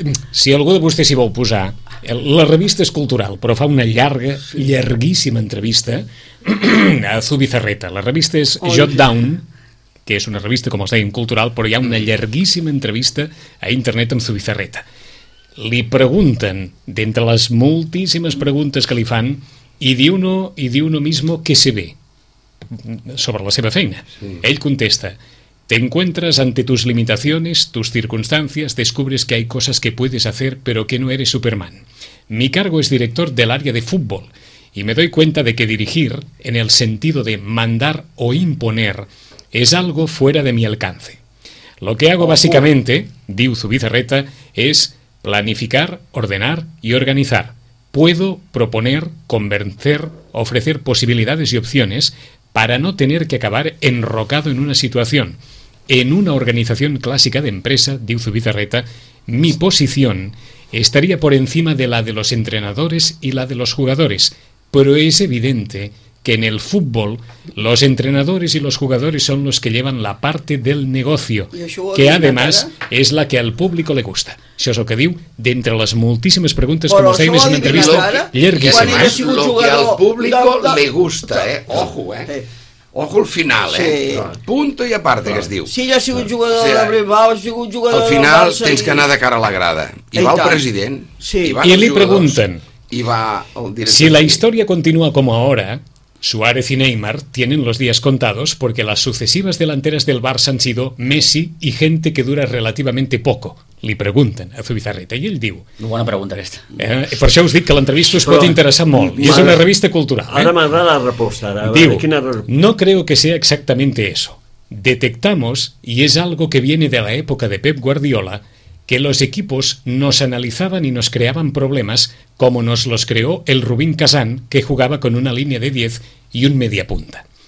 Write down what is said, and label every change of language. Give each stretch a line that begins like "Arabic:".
Catalan: Si algú de vostè s'hi vol posar, la revista és cultural, però fa una llarga, llarguíssima entrevista a Zubizarreta. La revista és Jot Down, que és una revista, com els deien, cultural, però hi ha una llarguíssima entrevista a internet amb Zubizarreta. Li pregunten, d'entre les moltíssimes preguntes que li fan,
Spanish: y de uno mismo que se ve sobre
Catalan: la seva feina. Sí. Ell contesta:
Spanish: te encuentras ante tus limitaciones, tus circunstancias, descubres que hay cosas que puedes hacer, pero que no eres Superman. Mi cargo es director del área de fútbol y me doy cuenta de que dirigir, en el sentido de mandar o imponer, es algo fuera de mi alcance. Lo que hago básicamente, diu Zubizarreta, es planificar, ordenar y organizar. Puedo proponer, convencer, ofrecer posibilidades y opciones para no tener que acabar enrocado en una situación. En una organización clásica de empresa, diu Zubizarreta, mi posición estaría por encima de la de los entrenadores y la de los jugadores, pero es evidente que en el fútbol los entrenadores y los jugadores son los que llevan la parte del negocio, que además es la que al público le gusta.
Catalan: Això és el que diu, d'entre les moltíssimes preguntes que ens feien en una entrevista llarguíssima.
Spanish: Lo que al público le gusta, ojo, ojo al final, punto i aparte,
Catalan: que es diu. Si jo he sigut jugador de Brimbao, he sigut jugador de Barça... Al final tens que anar de cara a la grada. I va el president, i li pregunten... I va
Spanish: si la historia continúa como ahora, Suárez y Neymar tienen los días contados porque las sucesivas delanteras del Barça han sido Messi y gente que dura relativamente poco.
Catalan: Li pregunten a Zubizarreta i ell diu... Bona pregunta aquesta. Per això us dic que l'entrevista us pot interessar molt i és una revista cultural. Ara m'agrada la resposta.
Spanish: Diu, no creo que sea exactamente eso. Detectamos, y es algo que viene de la época de Pep Guardiola, que los equipos nos analizaban y nos creaban problemas como nos los creó el Rubín Kazán, que jugaba con una línea de 10 y un media punta.